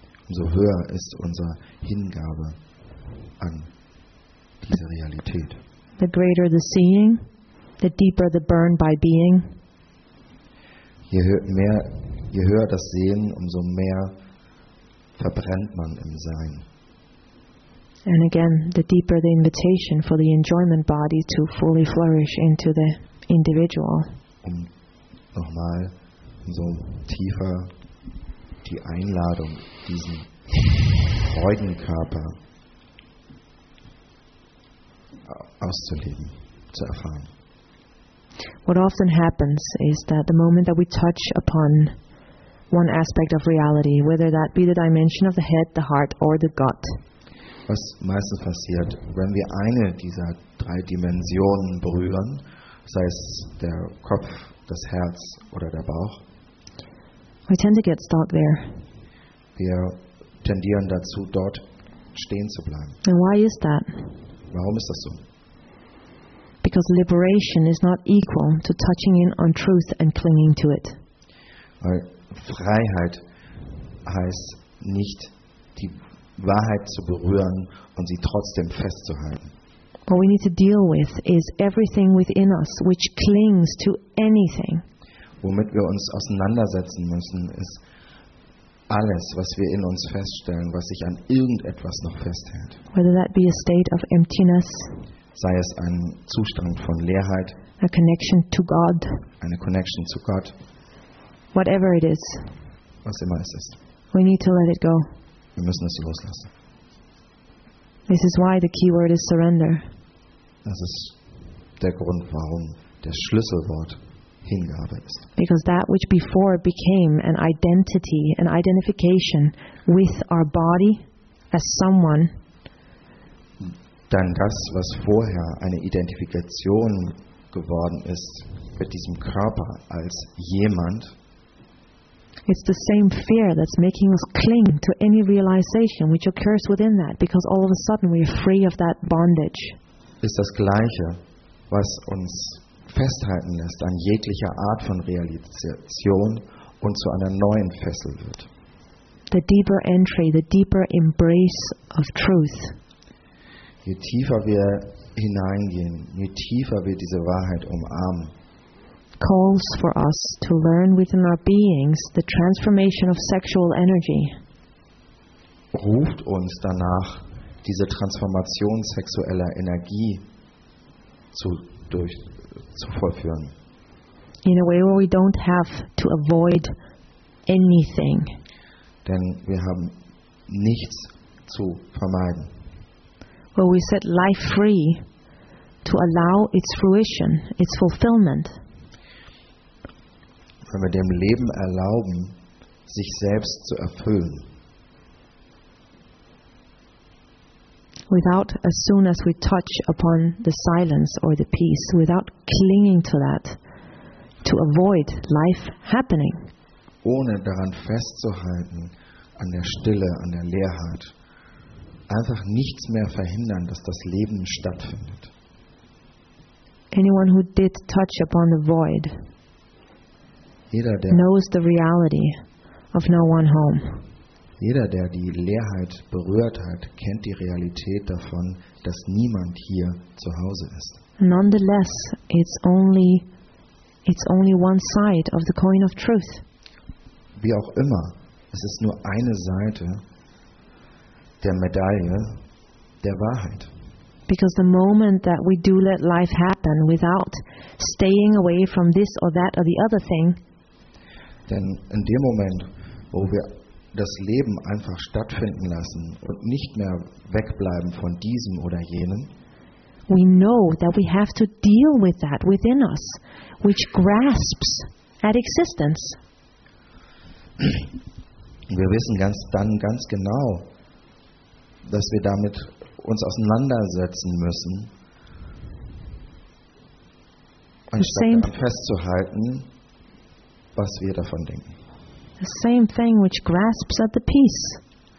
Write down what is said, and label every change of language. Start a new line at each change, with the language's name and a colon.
German: umso höher ist unsere Hingabe an diese Realität.
English: The greater the seeing, the deeper the burn by being.
German: Je höher das Sehen, umso mehr verbrennt man im Sein.
English: And again, the deeper the invitation for the enjoyment body to fully flourish into the individual.
German: Und nochmal, so tiefer die Einladung, diesen Freudenkörper auszuleben, zu erfahren.
English: What often happens is that the moment that we touch upon one aspect of reality, whether that be the dimension of the head, the heart, or the gut.
German: Was meistens passiert, wenn wir eine dieser drei Dimensionen berühren, sei es der Kopf, das Herz oder der Bauch,
English: we tend to get stuck there.
German: Wir tendieren dazu, dort stehen zu bleiben.
English: And why is that?
German: Warum ist das so?
English: Because liberation is not equal to touching in on truth and clinging to it.
German: Weil Freiheit heißt nicht, die Wahrheit zu berühren und sie trotzdem festzuhalten.
English: What we need to deal with is everything within us which clings to anything.
German: Womit wir uns auseinandersetzen müssen, ist alles, was wir in uns feststellen, was sich an irgendetwas noch festhält.
English: Whether that be a state of emptiness,
German: sei es ein Zustand von Leerheit,
English: a connection to God,
German: eine Connection zu Gott,
English: whatever it is,
German: was immer es ist.
English: We need to let it go.
German: Wir müssen es loslassen.
English: This is why the key word is surrender.
German: Das ist der Grund, warum das Schlüsselwort Hingabe ist.
English: Because that which before became an identity, an identification with our body as someone,
German: dann das, was vorher eine Identifikation geworden ist mit diesem Körper als jemand,
English: it's the same fear that's making us cling to any realization which occurs within that, because all of a sudden we are free of that bondage.
German: Ist das Gleiche, was uns festhalten lässt an jeglicher Art von Realisation und zu einer neuen Fessel wird.
English: The deeper entry, the deeper embrace of truth.
German: Je tiefer wir hineingehen, je tiefer wir diese Wahrheit umarmen,
English: calls for us to learn within our beings the transformation of sexual energy.
German: Ruft uns danach, diese Transformation sexueller Energie zu vollführen.
English: In a way where we don't have to avoid anything.
German: Denn wir haben nichts zu vermeiden.
English: Where we set life free to allow its fruition, its fulfillment.
German: Wenn wir dem Leben erlauben, sich selbst zu erfüllen.
English: Without, as soon as we touch upon the silence or the peace, without clinging to that, to avoid life happening.
German: Ohne daran festzuhalten, an der Stille, an der Leerheit. Einfach nichts mehr verhindern, dass das Leben stattfindet.
English: Anyone who did touch upon the void,
German: jeder, der
English: knows the reality of no one home.
German: Jeder, der die Leerheit berührt hat, kennt die Realität davon, dass niemand hier zu Hause ist.
English: Nonetheless, it's only one side of the coin of truth.
German: Wie auch immer, es ist nur eine Seite der Medaille der Wahrheit.
English: Because the moment that we do let life happen without staying away from this or that or the other thing,
German: denn in dem Moment, wo wir das Leben einfach stattfinden lassen und nicht mehr wegbleiben von diesem oder jenem,
English: we know that we have to deal with that within us, which grasps at existence.
German: Wir wissen ganz genau, dass wir damit uns auseinandersetzen müssen, anstatt festzuhalten, was wir davon denken.
English: The same thing which grasps at the peace.